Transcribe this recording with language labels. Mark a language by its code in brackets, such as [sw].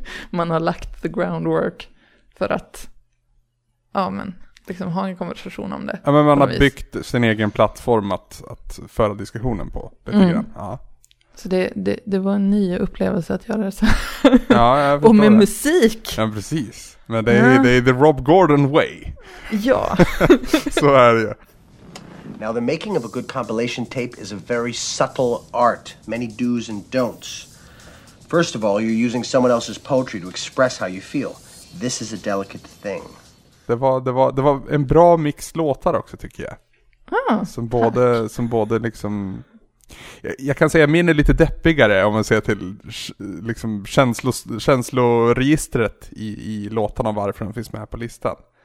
[sv] Man har lagt [en] the groundwork [sv] för att, ja, men liksom ha en konversation om det. Ja, men man har byggt sin egen plattform att föra diskussionen på lite grann. Ja. Så det var en ny upplevelse att göra det så. Ja, och med det. Musik. Ja, precis. Men det är the Rob Gordon way. Ja. Så är det. [en] Now, the making of a good compilation tape is a very subtle art, many do's and don'ts. First of all, you're using someone else's poetry to express how you feel. This is a delicate thing. [sv] Det var en bra mix låtar också, tycker jag. Ah, som både liksom, jag kan säga min är lite deppigare om man ser till liksom känsloregistret i låtarna, varför de finns med här på listan.